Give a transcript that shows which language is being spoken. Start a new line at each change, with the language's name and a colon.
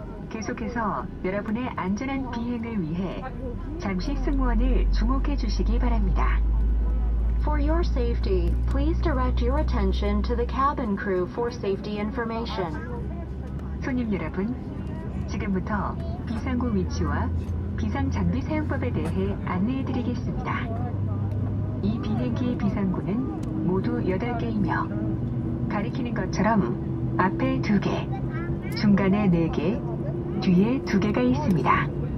Korean: 계속해서 여러분의 안전한 비행을 위해 잠시 승무원을 주목해 주시기 바랍니다.
English: For your safety, please direct your attention to the cabin crew for safety information.
Korean: 손님 여러분, 지금부터 비상구 위치와 비상 장비 사용법에 대해 안내해 드리겠습니다. 이 비행기의 비상구는 모두 8개이며 가리키는 것처럼 앞에 2개, 중간에 4개, 뒤에 2개가 있습니다.